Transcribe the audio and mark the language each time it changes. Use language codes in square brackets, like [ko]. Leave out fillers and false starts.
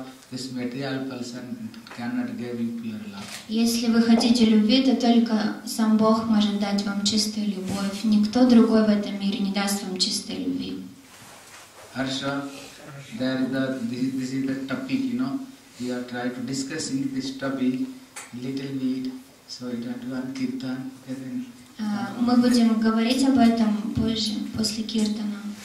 [en] This material person cannot give you pure love. [ru] Если вы хотите любви, то только сам Бог может дать вам чистую любовь. Никто другой в этом мире не даст вам чистой любви. Хорошо. [en] This is the topic, you know. We are trying to discuss this topic little bit. So it had one kirtan. [ru] Мы будем говорить об этом позже, после киртана.